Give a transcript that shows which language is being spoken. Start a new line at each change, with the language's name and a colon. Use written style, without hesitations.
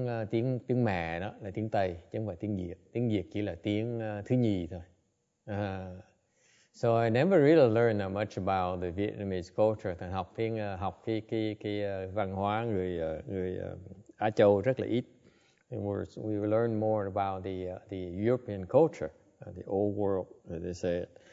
Vietnamese: Tiếng mẹ đó là tiếng Tây, chứ không phải tiếng Việt. Tiếng Việt chỉ là tiếng thứ nhì thôi.
English: So I never really learned much about the Vietnamese culture.
Vietnamese: Thành học tiếng học cái văn hóa người Á Châu rất là ít.
English: We learned more about the European culture, the old world, as they say it.